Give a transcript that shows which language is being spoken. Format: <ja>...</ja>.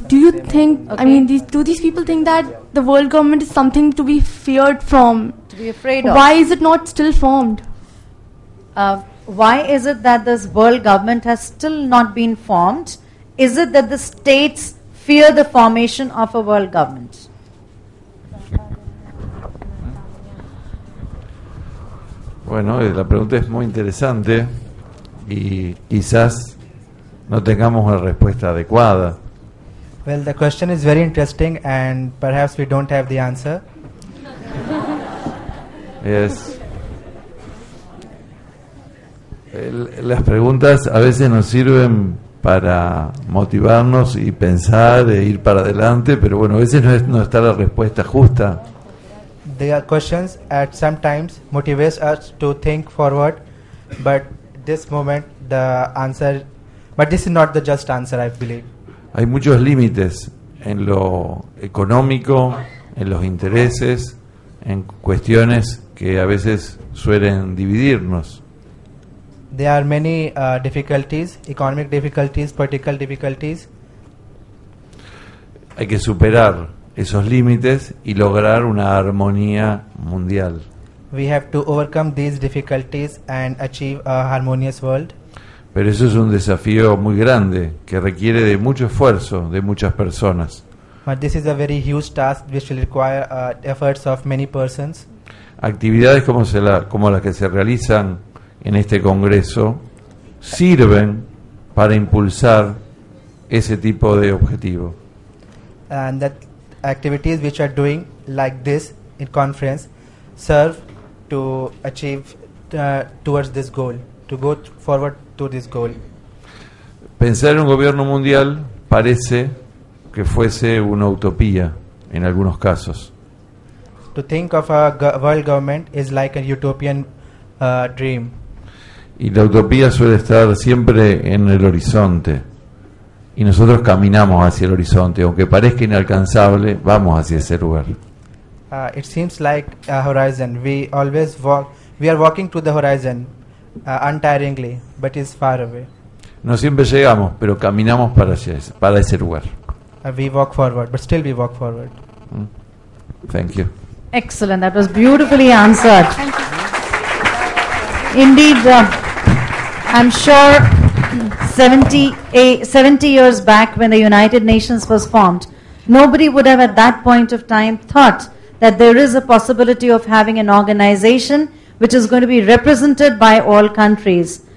<en>Do you think, okay. I mean, do these people think that the world government is something to be feared from? To be afraid of. Why is it not still formed? why is it that this world government has still not been formed? Is it that the states fear the formation of a world government?</en> <es>Bueno, la pregunta es muy interesante y quizás no tengamos la respuesta adecuada.</es> <en>Well, the question is very interesting and perhaps we don't have the answer. Yes.</en> <es>Las preguntas a veces nos sirven para motivarnos y pensar e ir para adelante, pero bueno, a veces no está la respuesta justa.</es> <en>The questions at sometimes motivate us to think forward, but this moment the answer, but this is not the just answer, I believe.</en> <es>Hay muchos límites en lo económico, en los intereses, en cuestiones que a veces suelen dividirnos.</es> <en>There are many difficulties, economic difficulties, political difficulties.</en> <es>Hay que superar esos límites y lograr una armonía mundial.</es> <en>We have to overcome these difficulties and achieve a harmonious world.</en> <es>Pero eso es un desafío muy grande que requiere de mucho esfuerzo de muchas personas.</es> <en>But this is a very huge task which will require efforts of many persons.</en> <es>Actividades como las que se realizan en este congreso sirven para impulsar ese tipo de objetivo.</es> <en>And that activities which are doing like this in conference serve to achieve towards this goal, to go forward to this goal.</en> <es>Pensar en un gobierno mundial parece que fuese una utopía en algunos casos.</es> <en>To think of a world government is like a utopian dream.</en> <es>Y la utopía suele estar siempre en el horizonte. Y nosotros caminamos hacia el horizonte, aunque parezca inalcanzable, vamos hacia ese lugar.</es> <en>It seems like a horizon. We always walk. We are walking to the horizon, untiringly, but it's far away.</en> <es>No siempre llegamos, pero caminamos para ese lugar.</es> <en>We walk forward, but still we walk forward. Thank you. Excellent. That was beautifully answered. Indeed, I'm sure 70 years back when the United Nations was formed, nobody would have at that point of time thought that there is a possibility of having an organization which is going to be represented by all countries.</en>